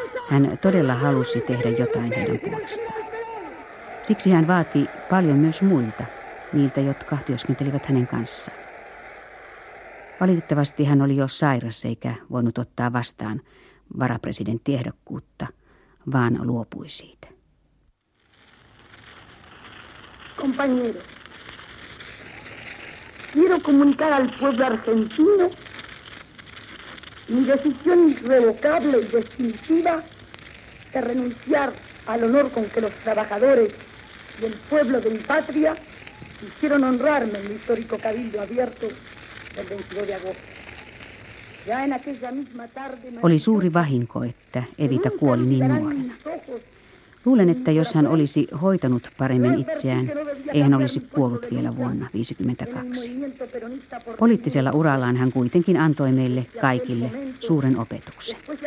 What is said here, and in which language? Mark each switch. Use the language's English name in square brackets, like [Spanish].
[Finnish] Hän todella halusi tehdä jotain heidän puolestaan. Siksi hän vaati paljon myös muilta, niiltä, jotka työskentelivät hänen kanssaan. Valitettavasti hän oli jo sairas eikä voinut ottaa vastaan varapresidenttiehdokkuutta, vaan luopui siitä. [Spanish] Compañero, quiero comunicar al pueblo argentino mi decisión irrevocable y definitiva de renunciar al honor con que los trabajadores y el pueblo de mi patria hicieron honrarme en el histórico cabildo abierto del 22 de agosto. Ya en aquella misma tarde... [Finnish] Oli suuri vahinko, että Evita kuoli niin nuorena. Luulen, että jos hän olisi hoitanut paremmin itseään, ei hän olisi kuollut vielä vuonna 1952. Poliittisella urallaan hän kuitenkin antoi meille kaikille suuren opetuksen.